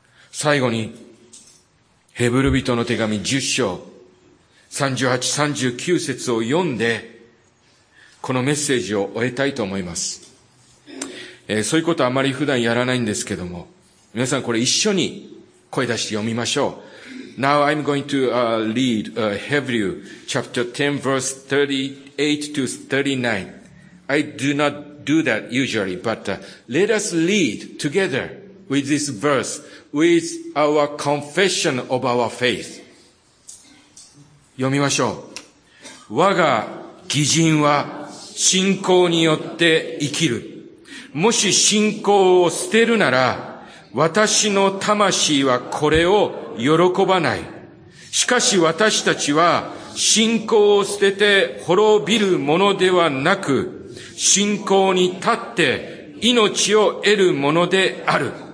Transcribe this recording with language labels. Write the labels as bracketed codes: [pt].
[ja] 最後に、ヘブル人の手紙10章38、39節を読んで、このメッセージを終えたいと思います。そういうことはあまり普段やらないんですけども、皆さんこれ一緒に声出して読みましょう。 [en] Now I'm going to read Hebrews chapter 10 verse 38 to 39. I do not do that usually, but let us read together with this verse with our confession of our faith. [ja] 読みましょう。我が義人は信仰によって生きる。もし信仰を捨てるなら、私の魂はこれを喜ばない。しかし私たちは信仰を捨てて滅びるものではなく、信仰に立って命を得るものである。